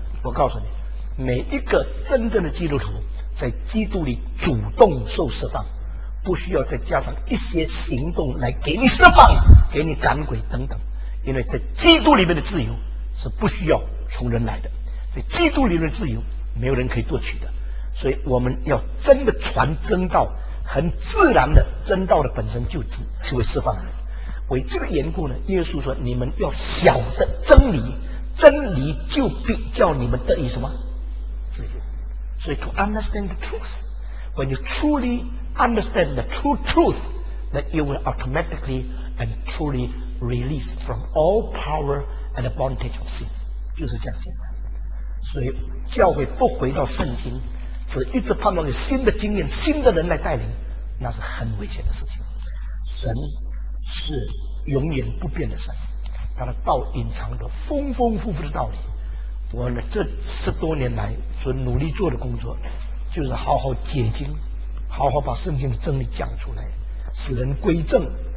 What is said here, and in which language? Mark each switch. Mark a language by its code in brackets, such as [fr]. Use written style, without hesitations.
[zh] 我告诉你，每一个真正的基督徒在基督里主动受释放，不需要再加上一些行动来给你释放，给你赶鬼等等，因为在基督里面的自由是不需要从人来的，在基督里面的自由没有人可以夺取的，所以我们要真的传真道，很自然的真道的本身就会释放人。为这个缘故呢，耶稣说你们要晓得真理，真理就必叫你们得以什么？自由。所以 [en] to understand the truth, when you truly understand the true truth, that you will automatically and truly release from all power and bondage of sin. [zh] 就是这样简单。所以教会不回到圣经，只一直盼望有新的经验、新的人来带领，那是很危险的事情。神是永远不变的神，他的道隐藏着丰丰富富的道理。我呢，这十多年来所努力做的工作，就是好好解经，好好把圣经的真理讲出来，使人归正，